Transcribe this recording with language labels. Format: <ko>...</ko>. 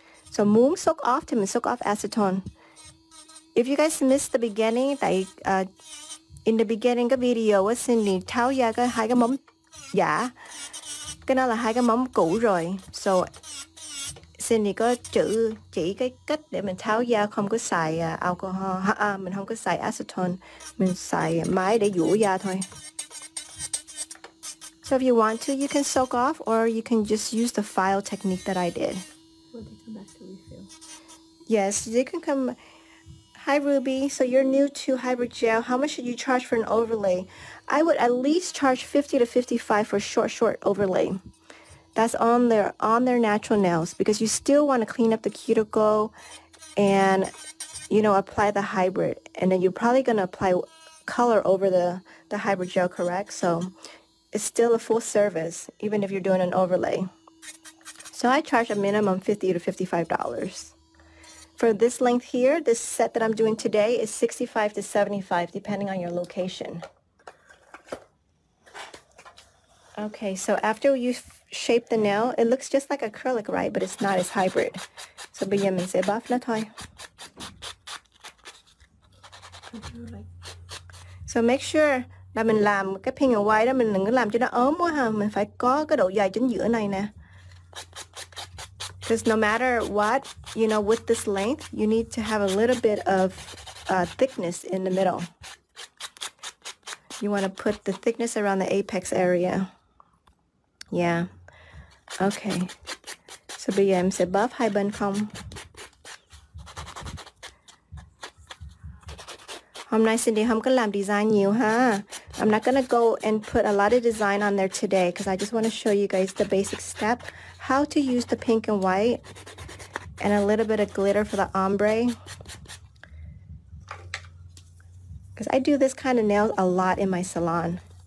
<vi>So muốn soak off thì mình soak off acetone.</vi> <en>If you guys missed the beginning,</en> <vi>in the beginning cái video á, Cindy tháo ra cái hai cái móng giả. Cái đó là hai cái móng cũ rồi. So Cindy có chỉ cái cách để mình tháo ra, không có xài alcohol. Mình không có xài acetone. Mình xài máy để vũ da thôi.</vi> <en>So if you want to, you can soak off or you can just use the file technique that I did. Will they come back to refill? Yes, they can come. Hi Ruby, so you're new to hybrid gel. How much should you charge for an overlay? I would at least charge $50 to $55 for short overlay. That's on their natural nails because you still want to clean up the cuticle and, you know, apply the hybrid. And then you're probably going to apply color over the hybrid gel, correct? So it's still a full service, even if you're doing an overlay. So I charge a minimum $50 to $55. For this length here, this set that I'm doing today is $65 to $75, depending on your location. Okay, so after you shape the nail, it looks just like acrylic, right? But it's not, it's hybrid.</en> <vi>So, bây giờ mình sẽ buff nó thôi. So,</vi> <en>make sure</en> <vi>là mình làm cái pink and white đó, mình đừng có làm cho nó ốm quá ha. Mình phải có cái độ dày chính giữa này nè.</vi> <en>Because no matter what, you know, with this length, you need to have a little bit of thickness in the middle. You want to put the thickness around the apex area. Yeah. Okay.</en> <vi>So bây giờ em sẽ buff hai bên không. Hôm nay Cindy không có làm design nhiều ha.</vi> <en>I'm not going to go and put a lot of design on there today because I just want to show you guys the basic step. How to use the pink and white and a little bit of glitter for the ombre. Because I do this kind of nails a lot in my salon.</en>